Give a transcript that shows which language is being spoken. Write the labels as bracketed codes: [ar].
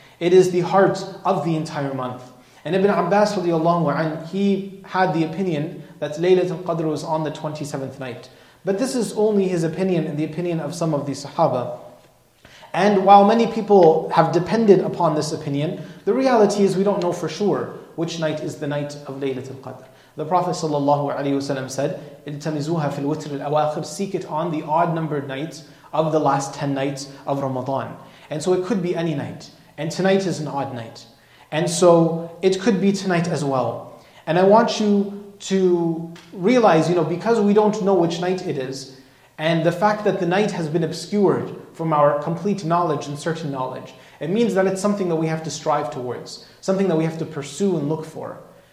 [en] It is the heart of the entire month. And Ibn Abbas radiallahu anhu, he had the opinion that Laylatul Qadr was on the 27th night. But this is only his opinion and the opinion of some of the Sahaba. And while many people have depended upon this opinion, the reality is we don't know for sure which night is the night of Laylatul Qadr. The Prophet ﷺ said, [ar] اِلْتَمِزُوهَا فِي الْوِتْرِ الْأَوَاخِرِ. [en] Seek it on the odd numbered nights of the last 10 nights of Ramadan. And so it could be any night. And tonight is an odd night. And so it could be tonight as well. And I want you to realize, you know, because we don't know which night it is, and the fact that the night has been obscured from our complete knowledge and certain knowledge, it means that it's something that we have to strive towards, something that we have to pursue and look for.